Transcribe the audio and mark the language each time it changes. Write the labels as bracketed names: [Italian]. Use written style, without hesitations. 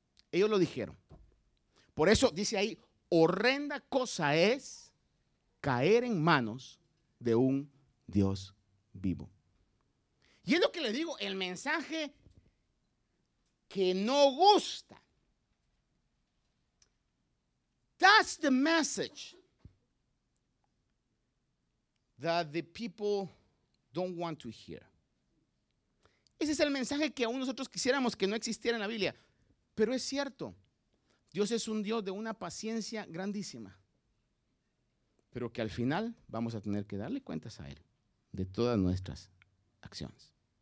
[Spanish] Ellos lo dijeron. Por eso dice ahí, horrenda cosa es caer en manos de un Dios vivo. Y es lo que le digo, el mensaje que no gusta. [English] That's the message that the people don't want to hear. [Spanish] Ese es el mensaje que aún nosotros quisiéramos que no existiera en la Biblia. Pero es cierto, Dios es un Dios de una paciencia grandísima, pero que al final vamos a tener que darle cuentas a Él de todas nuestras acciones.